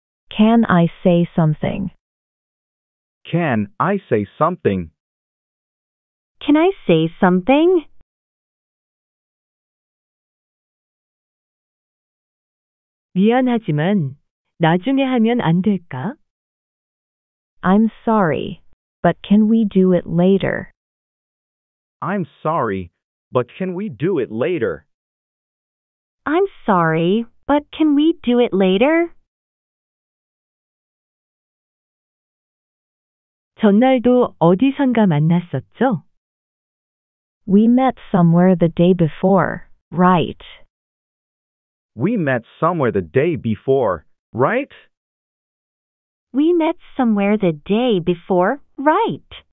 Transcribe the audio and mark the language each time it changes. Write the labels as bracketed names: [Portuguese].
[English] Can I say something? Can I say something? Can I say something? [Korean] 미안하지만 나중에 하면 안 될까? [English] I'm sorry, but can we do it later? I'm sorry, but can we do it later? I'm sorry, but can we do it later? [Korean] 전날도 어디선가 만났었죠? [English] We met somewhere the day before, right? We met somewhere the day before, right? We met somewhere the day before, right?